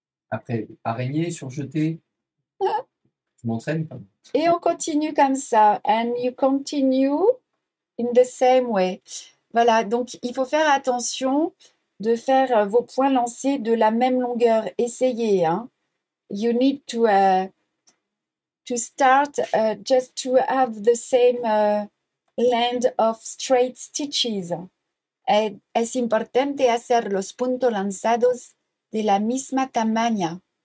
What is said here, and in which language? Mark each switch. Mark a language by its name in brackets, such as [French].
[French] Après, araignée, surjeter, je m'entraîne quand même. Et on continue comme ça. [English] And you continue in the same way. [French] Voilà, donc il faut faire attention de faire vos points lancés de la même longueur. Essayez, hein. [English] You need to start just to have the same length of straight stitches. [Spanish] Es importante hacer los puntos lanzados de la misma tamaña.